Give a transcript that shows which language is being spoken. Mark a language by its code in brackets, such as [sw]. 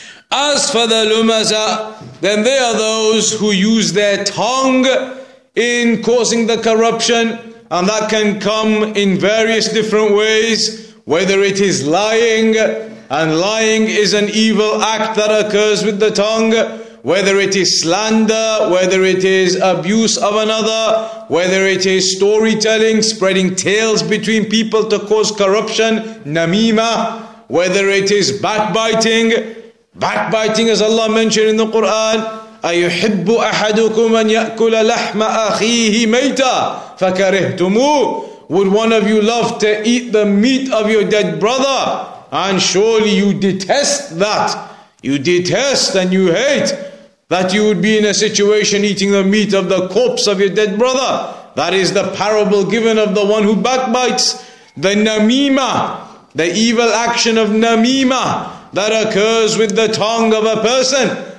[en] As for the lumaza, then they are those who use their tongue in causing the corruption, and that can come in various different ways, whether it is lying, and lying is an evil act that occurs with the tongue, whether it is slander, whether it is abuse of another, whether it is storytelling, spreading tales between people to cause corruption, namima, whether it is backbiting, [ar] Backbiting, as Allah mentioned in the Quran, أَيُحِبُّ أَحَدُكُمْ أَنْ يَأْكُلَ لَحْمَ أَخِيهِ مَيْتًا فَكَرِهْتُمُوهُ. [en] Would one of you love to eat the meat of your dead brother? And surely you detest that. You detest and you hate that you would be in a situation eating the meat of the corpse of your dead brother. That is the parable given of the one who backbites. The namima, the evil action of namima that occurs with the tongue of a person.